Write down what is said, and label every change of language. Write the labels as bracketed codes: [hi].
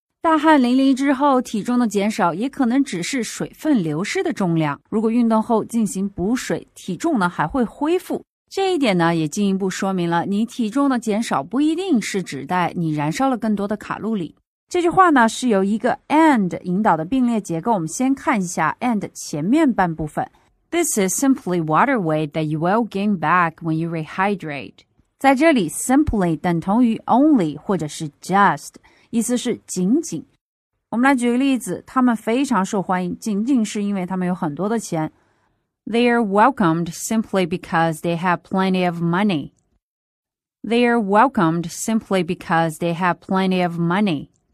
[zh] 大汗淋漓之后体重的减少也可能只是水分流失的重量如果运动后进行补水体重呢还会恢复这一点呢也进一步说明了你体重的减少不一定是指代你燃烧了更多的卡路里。这句话呢是由一个 and 引导的并列结构我们先看一下 and 前面半部分。 [en] This is simply water weight that you will gain back when you rehydrate. [zh] 在这里 simply 等同于 only 或者是 just, 意思是仅仅。我们来举个例子他们非常受欢迎仅仅是因为他们有很多的钱。 [en] They are welcomed simply because they have plenty of money. They are welcomed simply because they have plenty of money.